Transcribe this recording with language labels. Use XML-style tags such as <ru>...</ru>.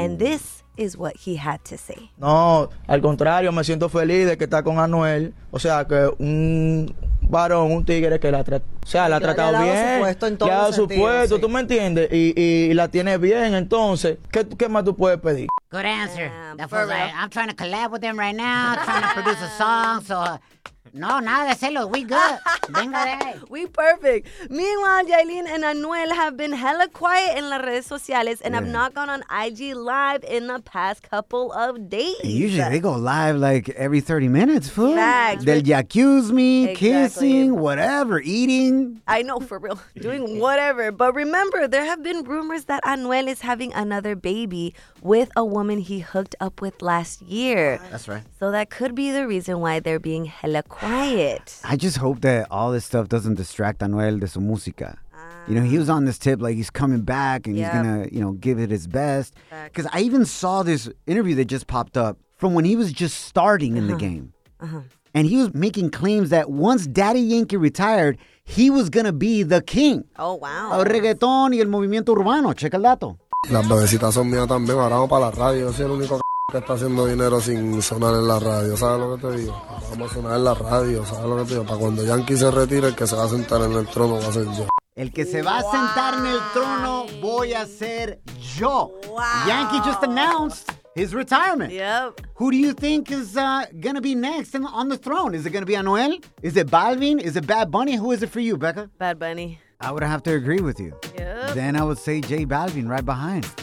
<en>And this is what he had to say.</en> <es>No, al contrario, me siento feliz de que está con Anuel. O sea, que un varón, un tigre que la ha tratado bien. Le ha dado su puesto en todo su puesto, sí. ¿Tú me entiendes? Y la tiene bien, entonces, ¿qué más tú puedes pedir?</es> <en>Good answer. I'm trying to collab with him right now, trying to produce a song, so...</en> <es>No, nada de celos.</es> <en>We good.</en> <es>Venga de ahí.</es> <en>We perfect. Meanwhile, Yailin and Anuel have been hella quiet in</en> <es>las redes sociales</es> <en>and have not gone on IG Live in the past couple of days. And usually they go live like every 30 minutes, fool. Facts. They'll accuse me, exactly. Kissing, whatever, eating. I know, for real. Doing whatever. But remember, there have been rumors that Anuel is having another baby with a woman he hooked up with last year. That's right. So that could be the reason why they're being hella quiet. Quiet. I just hope that all this stuff doesn't distract Anuel</en> <es>de su música.</es> <en>You know, he was on this tip, like, he's coming back and he's gonna, you know, give it his best. Because I even saw this interview that just popped up from when he was just starting in the game. And he was making claims that once Daddy Yankee retired, he was gonna be the king. Oh, wow.</en> <es>El reggaetón y el movimiento urbano. Checa el dato. Las bebecitas son mías también, ahora vamos para la radio. Soy el único que está haciendo dinero sin sonar en la radio, ¿sabes lo que te digo? Vamos a sonar en la radio, ¿sabes lo que te digo? Para cuando Yankee se retire, el que se va a sentar en el trono va a ser yo. El que se va a sentar en el trono voy a ser yo.</es> <en>Wow. Yankee just announced his retirement. Yep. Who do you think is going to be next on the throne? Is it going to be Anuel? Is it Balvin? Is it Bad Bunny? Who is it for you, Becca? Bad Bunny. I would have to agree with you. Yep. Then I would say J Balvin right behind.</en>